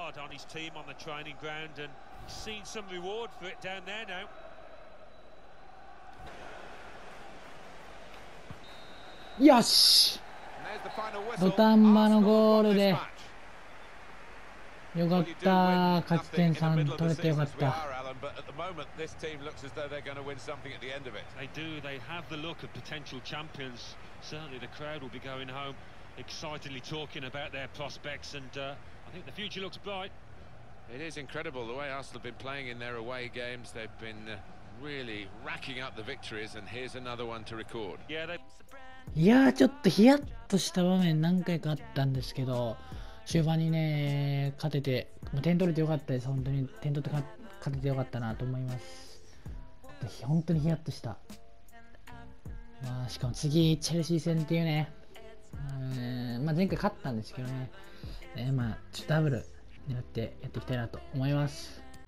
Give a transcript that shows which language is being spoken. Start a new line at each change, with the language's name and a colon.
English: his team on the training ground, and he's seen some reward for it down there now.
Japanese: よし、土壇場のゴールでよかった、勝ち点3取れてよかった。
English: But at the moment, this team looks as though they're going to win something at the end of it. They do. They have the look of potential champions. Certainly, the crowd will be going home excitedly talking about their prospects. And I think the future looks bright. It is incredible the way Arsenal have been playing in their away games. They've been really racking up the victories. And here's another one to record.
Japanese: Yeah, ちょっとヒヤッとした場面何回かあったんですけど、終盤にね、勝てて、まあ、点取れてよかったです。本当に点取って勝って勝ててよかったなと思います。本当にヒヤッとした、まあ、しかも次チェルシー戦っていうね、まあ、前回勝ったんですけどね、まあ、ちょっとダブル狙ってやっていきたいなと思います。